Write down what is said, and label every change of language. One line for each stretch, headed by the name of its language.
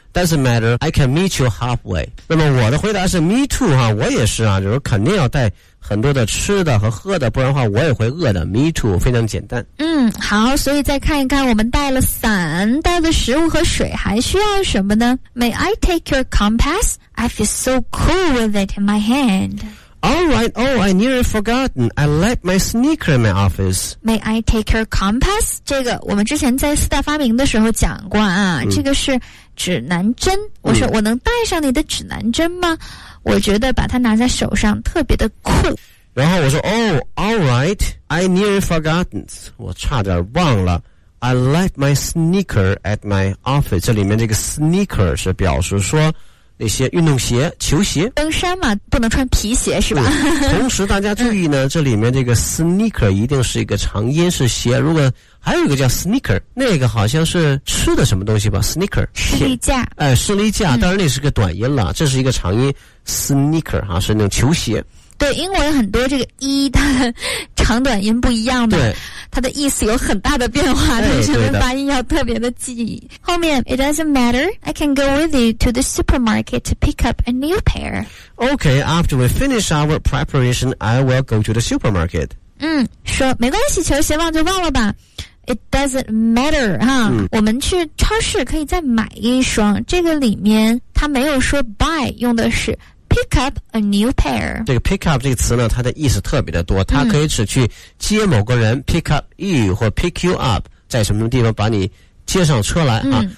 English: Doesn't matter, I can meet you halfway。
Chinese: 那么我的回答是
English: me too
Chinese: 哈，我也是啊，就是肯定要带很多的吃的和喝的，不然的话我也会饿的。
English: Me too，
Chinese: 非常简单。好，所以再看一看我们带了伞，带了食物和水，还需要什么呢？
English: May I take your compass? I feel so cool with it in my hand. Alright, oh, I nearly forgotten. I left my sneaker in my office. May I take your compass?
Chinese: 这个我们之前在四大发明的时候讲过啊，这个是指南针。我说我能带上你的指南针吗？我觉得把它拿在手上特别的酷。然后我说
English: Oh, alright, I nearly forgotten.
Chinese: 我差点忘了。
English: I left my sneaker at my office.
Chinese: 这里面这个 sneaker 是表示说那些运动鞋、球鞋。登山嘛，不能穿皮鞋是吧？同时大家注意呢，这里面这个 sneaker 一定是一个长音式鞋。如果还有一个叫 sneaker， 那个好像是吃的什么东西吧 ？sneaker 士力架，士力架，当然那是个短音了，这是一个长音 sneaker 哈，是那种球鞋。对，英文很多这个一它的长短音不一样的，对，它的意思有很大的变化，对，什么发音要特别的记忆。
English: 后面 it doesn't matter, I can go with you to the supermarket to pick up a new pair. Okay, after we finish our preparation, I will go to the supermarket.
Chinese: 说没关系，球鞋忘就忘了吧。
English: It doesn't matter,
Chinese: 哈，我们去超市可以再买一双。这个里面它没有说 buy， 用的是
English: Pick up a new pair。
Chinese: 这个 pick up 这个词呢，它的意思特别的多，它可以指去接某个人，
English: pick up you
Chinese: 或
English: pick you up，
Chinese: 在什么地方把你接上车来啊。